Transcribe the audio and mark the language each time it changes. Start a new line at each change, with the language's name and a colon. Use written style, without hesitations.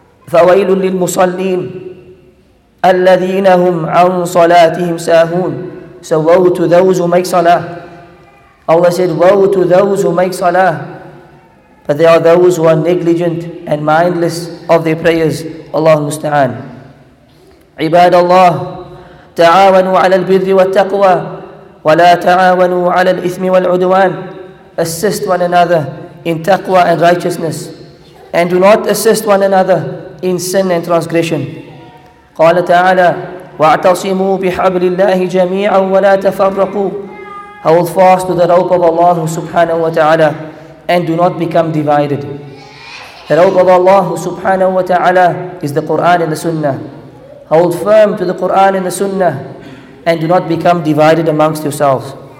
Arabic: فَوَيْلٌ لِلْمُصَلِّينَ الَّذِينَ هُمْ عَنْ صَلَاتِهِمْ سَاهُونَ
English: So woe to those who make salah. Allah said, woe to those who make salah. But they are those who are negligent and mindless of their prayers. Allah musta'an.
Arabic: عباد الله تعاونوا على البر والتقوى ولا تعاونوا على الإثم والعدوان.
English: Assist one another in taqwa and righteousness, and do not assist one another in sin and transgression.
Arabic: قال تعالى واعتصموا بحبل الله جميعا ولا تفرقوا.
English: Hold fast to the rope of Allah subhanahu wa ta'ala and do not become divided. The rope of Allah subhanahu wa ta'ala is the Quran and the Sunnah. Hold firm to the Quran and the Sunnah and do not become divided amongst yourselves.